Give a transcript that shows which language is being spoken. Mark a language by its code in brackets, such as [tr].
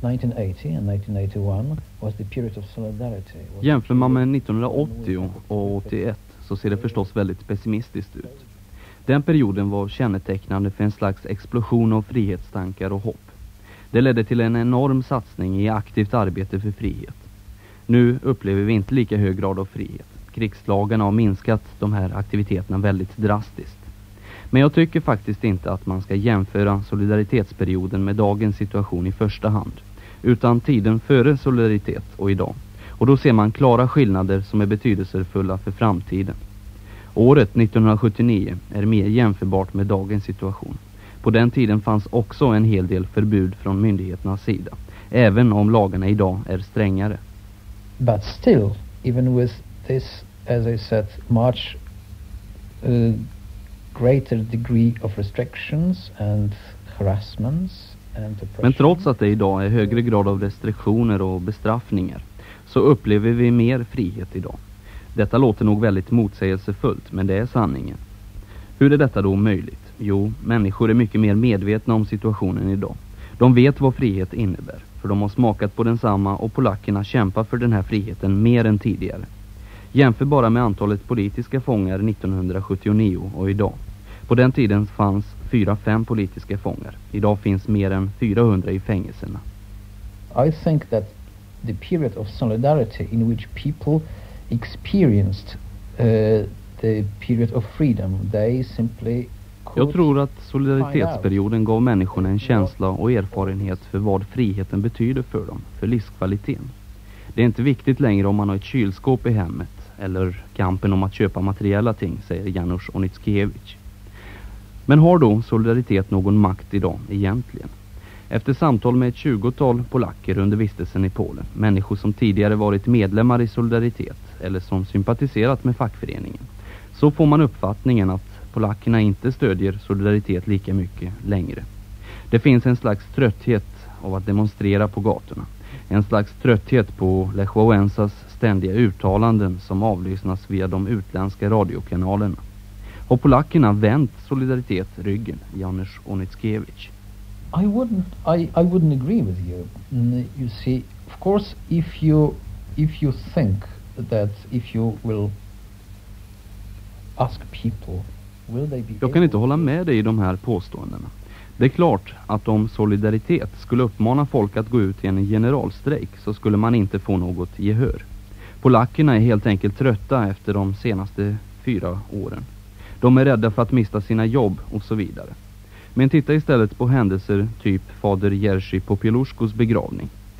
[en] 1980 and 1981 was the period of solidarity. [sv] Jämför man med 1980 och 81 så ser det förstås väldigt pessimistiskt ut. Den perioden var kännetecknande för en slags explosion av frihetstankar och hopp. Det ledde till en enorm satsning i aktivt arbete för frihet. Nu upplever vi inte lika hög grad av frihet. Krigslagarna har minskat de här aktiviteterna väldigt drastiskt. Men jag tycker faktiskt inte att man ska jämföra solidaritetsperioden med dagens situation i första hand. Utan tiden före solidaritet och idag. Och då ser man klara skillnader som är betydelsefulla för framtiden. Året 1979 är mer jämförbart med dagens situation. På den tiden fanns också en hel del förbud från myndigheternas sida, även om lagarna idag är strängare. [en] But still, even with this, as I said, much greater degree of restrictions and harassments and oppression. [sv] Men trots att det idag är högre grad av restriktioner och bestraffningar, så upplever vi mer frihet idag. Detta låter nog väldigt motsägelsefullt, men det är sanningen. Hur är detta då möjligt? Jo, människor är mycket mer medvetna om situationen idag. De vet vad frihet innebär, för de har smakat på densamma och polackerna kämpar för den här friheten mer än tidigare. Jämför bara med antalet politiska fångar 1979 och idag. På den tiden fanns 4-5 politiska fångar. Idag finns mer än 400 i fängelserna. [en] I think that the period of solidarity in which people experienced the period of freedom, they simply could. [sv] Jag tror att solidaritetsperioden gav människorna en känsla och erfarenhet för vad friheten betyder för dem, för livskvaliteten. Det är inte viktigt längre om man har ett kylskåp i hemmet eller kampen om att köpa materiella ting, säger Janusz Onitskiewicz. Men har då solidaritet någon makt idag egentligen? Efter samtal med ett 20-tal polacker under vistelsen i Polen, människor som tidigare varit medlemmar i solidaritet eller som sympatiserat med fackföreningen, så får man uppfattningen att polackerna inte stödjer solidaritet lika mycket längre. Det finns en slags trötthet av att demonstrera på gatorna. En slags trötthet på Lech Wałęsas ständiga uttalanden som avlyssnas via de utländska radiokanalerna. Har polackerna vänt solidaritet ryggen, Janusz Onitskiewicz? [en] I wouldn't agree with you. You see, of course, if you think that if you will ask people, will they be? [sv] Jag kan inte hålla med dig i de här påståendena. Det är klart att om solidaritet skulle uppmana folk att gå ut i en generalstrejk, så skulle man inte få något gehör. Polackerna är helt enkelt trötta efter de senaste 4 åren. De är rädda för att mista sina jobb och så vidare. Men titta istället på händelser typ fader Jerzy Popieluszkos begravning.